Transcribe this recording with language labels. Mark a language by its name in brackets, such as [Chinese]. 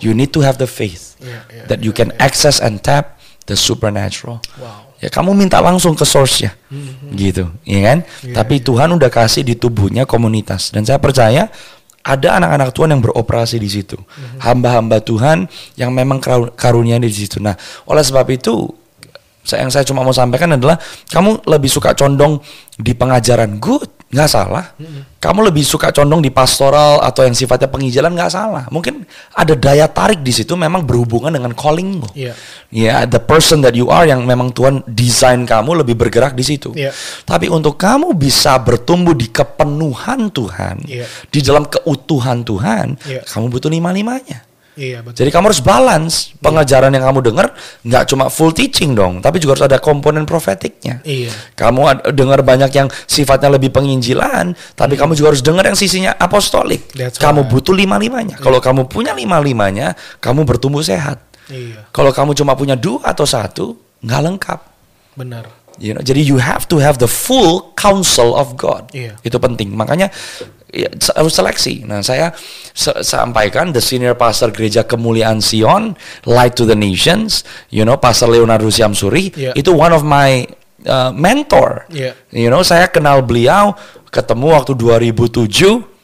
[English] You need to have the faith that you can access and tap the supernatural. Wow. [Indonesian] Ya kamu minta langsung ke source-nya. Gitu, ya kan? Yeah, tapi Tuhan udah kasih di tubuhnya komunitas dan saya percaya ada anak-anak Tuhan yang beroperasi di situ. Hamba-hamba Tuhan yang memang karunia di situ. Nah, oleh sebab itu yang saya cuma mau sampaikan adalah, kamu lebih suka condong di pengajaran, good, gak salah. Kamu lebih suka condong di pastoral atau yang sifatnya penginjilan, gak salah. Mungkin ada daya tarik di situ memang berhubungan dengan callingmu. [English] Yeah, the person that you are [Indonesian] yang memang Tuhan desain kamu lebih bergerak di situ. Tapi untuk kamu bisa bertumbuh di kepenuhan Tuhan, di dalam keutuhan Tuhan, kamu butuh lima-limanya. Iya, betul. Jadi kamu harus balance pengajaran yang kamu dengar, nggak cuma full teaching dong, tapi juga harus ada komponen profetiknya. Iya. Kamu dengar banyak yang sifatnya lebih penginjilan, tapi kamu juga harus dengar yang sisinya apostolik. Kamu butuh lima-limanya. Kalau kamu punya lima-limanya, kamu bertumbuh sehat. Iya. Kalau kamu cuma punya dua atau satu, nggak lengkap. Benar. [English] You know, jadi you have to have the full counsel of God. [Indonesian] Iya. Itu penting. Makanya harus seleksi. Nah, saya sampaikan [English] the senior pastor [Indonesian] gereja kemuliaan Sion, Light to the Nations, you know, Pastor Leonardo Siamsuri, itu [English] one of my mentor. [Indonesian] You know, saya kenal beliau, ketemu waktu 2007,